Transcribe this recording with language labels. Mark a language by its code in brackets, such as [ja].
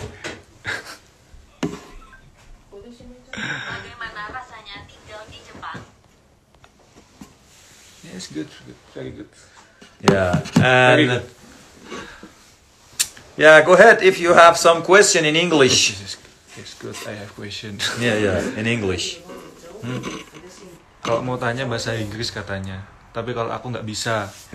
[id] Bagaimana rasanya tinggal di Jepang? [en] Yes, good, very good. Yeah, and yeah, go ahead if you have some question in English. Yes, good. I have question. Yeah, in English. [id] Kalau mau tanya bahasa Inggris katanya, tapi kalau aku nggak bisa.